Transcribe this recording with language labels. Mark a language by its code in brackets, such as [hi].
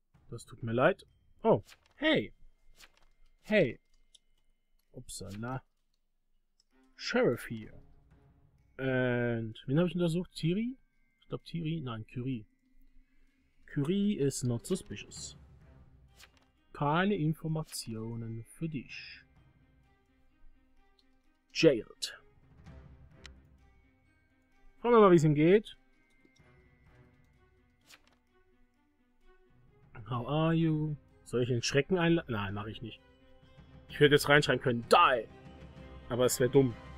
[de] Das tut mir leid. Oh, hey. Hey. Upsala. Sheriff hier. Und wen habe ich untersucht? Tiri? Ich glaube Tiri, nein, Curie. [en] Curie is not suspicious. [de] Keine Informationen für dich. [en] Jailed. [de] Schauen wir mal, wie es ihm geht. [en] How are you? [de] Soll ich den Schrecken einladen? Nein, mache ich nicht. Ich hätte jetzt reinschreien können. Die! Aber es wäre dumm.